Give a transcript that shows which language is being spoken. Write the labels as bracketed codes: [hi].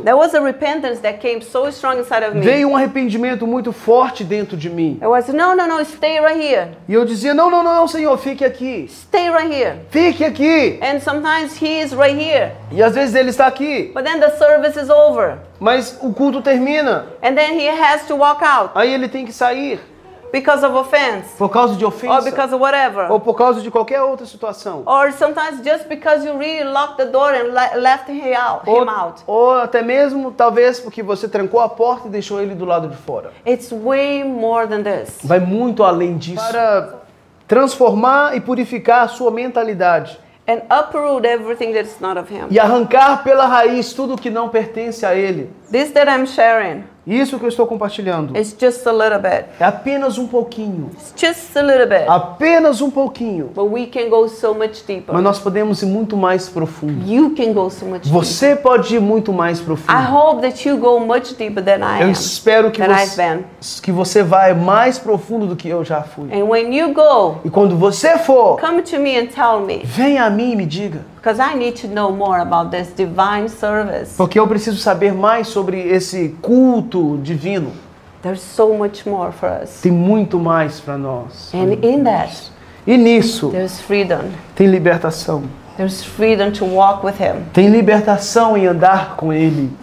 [en] There was a repentance that came so strong inside of me. [pt] Veio um arrependimento muito forte dentro de mim. [en] I was no, stay right here. [pt] E eu dizia, não, Senhor, fique aqui. [en] Stay right here. [pt] Fique aqui. [en] And sometimes he is right here. [pt] E às vezes ele está aqui. [en] But then the service is over. [pt] Mas o culto termina. [en] And then he has to walk out. [pt] Aí ele tem que sair. [en] Because of offense. [pt] Por causa de ofensa. [en] Or because of whatever. [pt] Ou por causa de qualquer outra situação. [en] Or sometimes just because you really locked the door and left him out. [pt] Ou até mesmo talvez porque você trancou a porta e deixou ele do lado de fora. [en] It's way more than this. [pt] Vai muito além disso. Para transformar e purificar a sua mentalidade. [en] And uproot everything that's not of him. [pt] E arrancar pela raiz tudo que não pertence a ele. [en] This that I'm sharing. [pt] Isso que eu estou compartilhando. [en] It's just a little bit. [pt] É apenas um pouquinho. [en] It's just a little bit. [pt] Apenas um pouquinho. [en] But we can go so much deeper. [pt] Mas nós podemos ir muito mais profundo. [en] You can go so much [pt] você [en] deeper. [pt] Pode ir muito mais profundo. [en] I hope that you go much deeper than I [pt] eu [en] am, [pt] espero que você vá mais profundo do que eu já fui. [en] And when you go, [pt] e quando você for, [en] come to me and tell me. [pt] Venha a mim e me diga. [en] Because I need to know more about this divine service. [pt] Porque eu preciso saber mais sobre esse culto divino. [en] There's so much more for us. [pt] Tem muito mais para nós. [en] And in that. [pt] E nisso. [en] There's freedom. [pt] Tem libertação. [en] There's freedom to walk with him. [pt] Tem libertação em andar com ele.